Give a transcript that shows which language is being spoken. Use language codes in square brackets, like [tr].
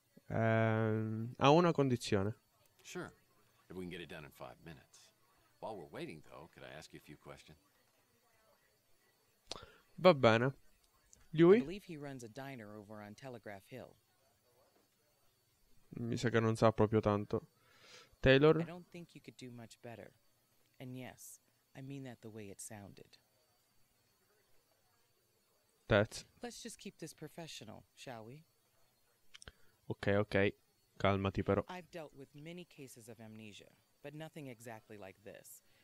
[it] Ha una condizione. [en] Sure. If we can get it done in 5 minutes. While we're waiting, though, could I ask you a few questions? [it] Va bene. Lui? [en] I believe he runs a diner over on Telegraph Hill. [it] Mi sa che non sa proprio tanto. [en] Taylor. I don't think you could do much better. And yes, I mean that the way it sounded. That's. Let's just keep this professional, shall we? [it] Okay. Calmati però. [en] I've dealt with many cases of amnesia, but nothing exactly like this.